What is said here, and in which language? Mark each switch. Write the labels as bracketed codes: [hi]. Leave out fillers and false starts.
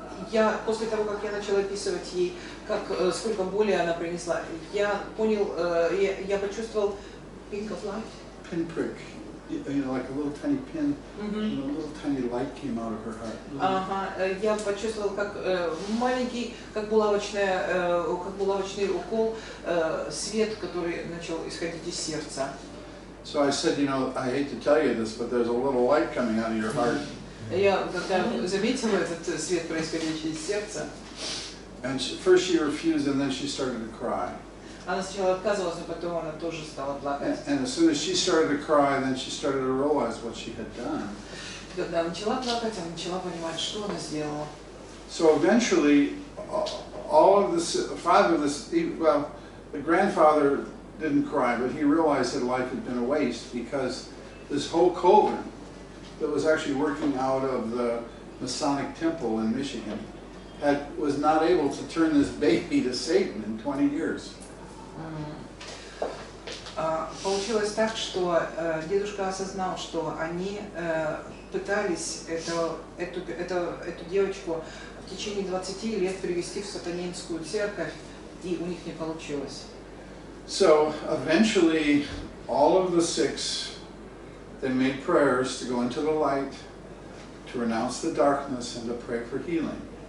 [ru] Я после того, как я начал описывать ей, как сколько боли она принесла, я понял, я почувствовал [en] pink of light. Pinprick, you know, like a little tiny pin, mm-hmm. And a little tiny light came out of her heart. [ru] Я почувствовал, как маленький, как булавочный укол свет, который начал исходить из сердца. [en] So I said, you know, I hate to tell you this, but there's a little light coming out of your heart. [ru] Я когда заметила этот свет, происходящий из сердца. [en] And first she refused, and then she started to cry. [ru] Она сначала отказывалась, а потом она тоже стала плакать. [en] And as soon as she started to cry, then she started to realize what she had done. [ru] Когда она начала плакать, она начала понимать, что она сделала. [en] So eventually, all of the 5 of this, well, the grandfather didn't cry, but he realized that life had been a waste because this whole cauldron that was actually working out of the Masonic temple in Michigan had was not able to turn this baby to Satan in 20 years. [ru] Получилось так, что дедушка осознал, что они пытались эту девочку в течение 20 лет привести в сатанинскую церковь, и у них не получилось. [en] So eventually all of the 6 they made prayers to go into the light, to renounce the darkness, and to pray for healing.